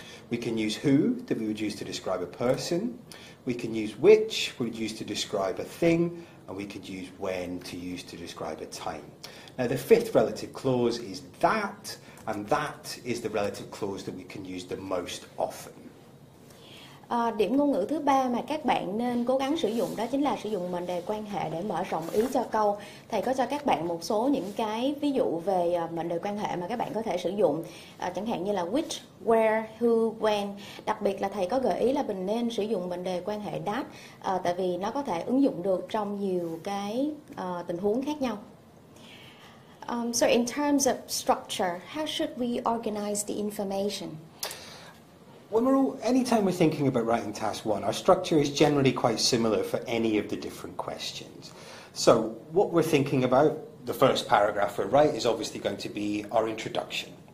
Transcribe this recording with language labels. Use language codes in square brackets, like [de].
[en] We can use who, that we would use to describe a person. We can use which, we would use to describe a thing. And we could use when to use to describe a time. Now the fifth relative clause is that, and that is the relative clause that we can use the most often. [vi] Điểm ngôn ngữ thứ ba mà các bạn nên cố gắng sử dụng đó chính là sử dụng mệnh đề quan hệ để mở rộng ý cho câu. Thầy có cho các bạn một số những cái ví dụ về mệnh đề quan hệ mà các bạn có thể sử dụng, chẳng hạn như là which, where, who, when. Đặc biệt là thầy có gợi ý là mình nên sử dụng mệnh đề quan hệ that, tại vì nó có thể ứng dụng được trong nhiều cái tình huống khác nhau. [en] So in terms of structure, how should we organize the information? Anytime we're thinking about writing task one, our structure is generally quite similar for any of the different questions. So what we're thinking about, the first paragraph we write is obviously going to be our introduction.